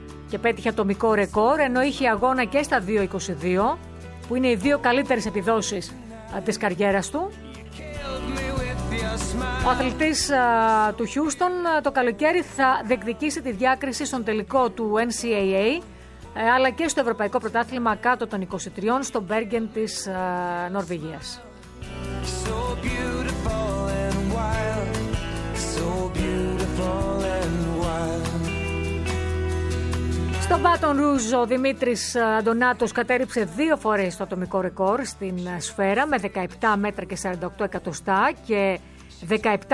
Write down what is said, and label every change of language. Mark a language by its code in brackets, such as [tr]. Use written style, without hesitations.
[el] Και πέτυχε ατομικό ρεκόρ, ενώ είχε αγώνα και στα 2.22, που είναι οι δύο καλύτερες επιδόσεις της καριέρας του. Ο αθλητής του Χιούστον το καλοκαίρι θα διεκδικήσει τη διάκριση στον τελικό του NCAA, αλλά και στο Ευρωπαϊκό Πρωτάθλημα κάτω των 23 στο Μπέργεν της Νορβηγίας. [en] So beautiful and wild, so beautiful and wild. [el] Στον Baton Rouge ο Δημήτρης Αντωνάτος κατέριψε 2 φορές το ατομικό ρεκόρ στην σφαίρα με 17 μέτρα και 48 εκατοστά και 17.51.